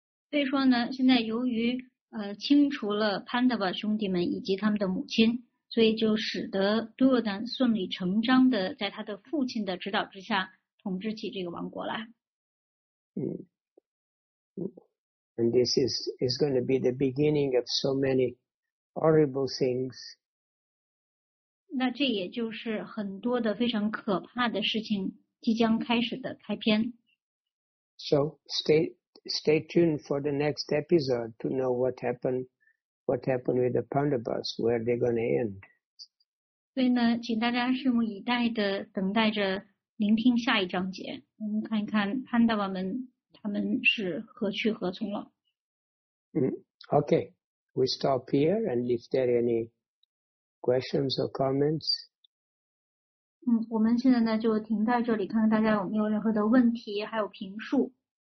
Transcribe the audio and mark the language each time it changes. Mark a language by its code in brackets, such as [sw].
[zh] 所以说呢，现在由于清除了 Pandava 兄弟们以及他们的母亲，所以就使得 Duryodhana 顺理成章的在他的父亲的指导之下统治起这个王国来。 [en] And this is going to be the beginning of so many horrible things. [zh] 那这也就是很多的非常可怕的事情即将开始的开篇。 [en] So stay tuned for the next episode to know what happened with the Pandavas, where they're going to end. [zh] 所以呢，请大家拭目以待的等待着聆听下一章节，我们看一看 Pandava 们他们是何去何从了。 [en] Okay, we stop here and if there any. Questions or comments? [zh] 我们现在呢就停在这里，看看大家有没有任何的问题，还有评述。